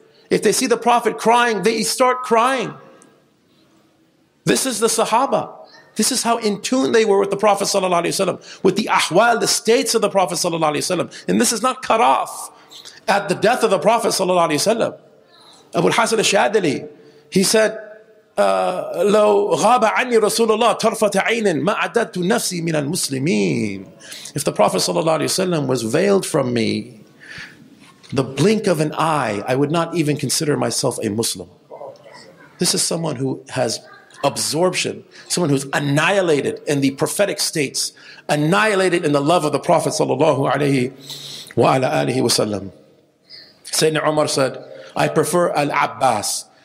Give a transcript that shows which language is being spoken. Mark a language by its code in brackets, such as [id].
[en] If they see the Prophet crying, they start crying. This is the Sahaba. This is how in tune they were with the Prophet ﷺ, with the ahwal, the states of the Prophet ﷺ. And this is not cut off at the death of the Prophet ﷺ. [ar] Abu al-Hasan al-Shadili, [en] he said, [ar] "لو غاب عني رسول الله طرفة عين ما عددت نفسي من المسلمين." [en] If the Prophet ﷺ was veiled from me, the blink of an eye, I would not even consider myself a Muslim. This is someone who has absorption, someone who's annihilated in the prophetic states, annihilated in the love of the Prophet sallallahu alayhi wa ala alihi wasallam. Sayyidina Umar said, "I prefer Al-Abbas,